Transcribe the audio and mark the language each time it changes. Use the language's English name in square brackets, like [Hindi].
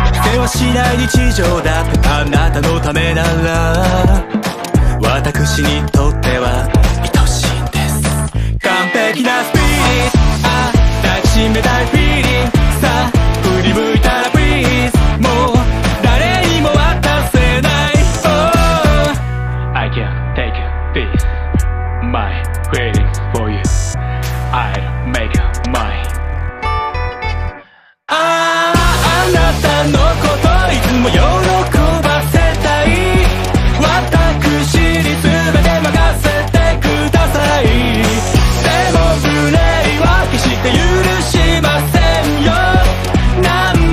[Japanese] せわしない日常だってあなたのためなら、私にとっては愛しいんです。完璧なスピリッツ、あ、抱きしめたいフィーリング、さあ振り向いたらプリーズ、もう誰にも渡せない。 [English] Oh, I can take this my feelings for you, I'll make it mine。 [Japanese] ああなたのこといつも喜ばせたい、私に全て任せてください。でも無礼は決して許しませんよ。